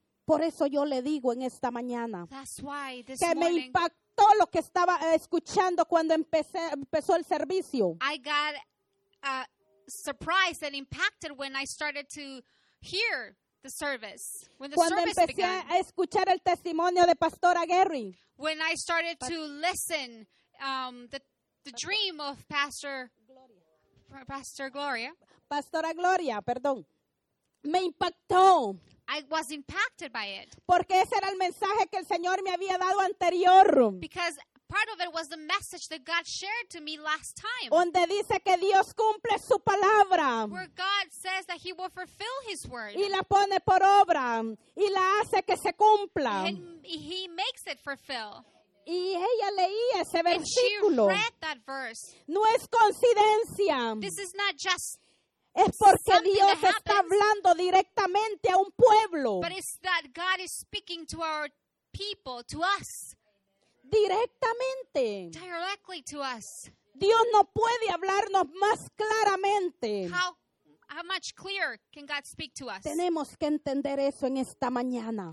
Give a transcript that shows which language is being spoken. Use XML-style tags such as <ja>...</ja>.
<es>Por eso yo le digo en esta mañana.</es> <en>That's why this</en> <es>que</es> <en>morning,</en> <es>me impactó lo que estaba escuchando cuando empezó el servicio.</es> <en>I got surprised and impacted when I started to hear the service. When the</en> <es>cuando</es> <en>service</en> <es>empecé</es> <en>began.</en> <es>A escuchar el testimonio de Pastora Gary.</es> <en>When I started to listen the dream of Pastor Gloria.</en> <es>Pastora Gloria, perdón. Me impactó.</es> <en>I was impacted by it.</en> <es>Porque ese era el mensaje que el Señor me había dado anterior.</es> <en>Because part of it was the message that God shared to me last time.</en> <es>Donde dice que Dios cumple su palabra.</es> <en>Where God says that he will fulfill his word.</en> <es>Y la pone por obra. Y la hace que se cumpla.</es> <en>And he makes it fulfill.</en> <es>Y ella leía ese versículo.</es> <en>And she read that verse.</en> <es>No es coincidencia.</es> <en>This is not just.</en> <es>Es porque Dios está hablando directamente a un pueblo.</es> <en>But it's that God is speaking to our people, to us.</en> <es>Directamente.</es> <en>Directly to us.</en> <es>Dios no puede hablarnos más claramente.</es> <en>How much clearer can God speak to us?</en> <es>Tenemos que entender eso en esta mañana.</es>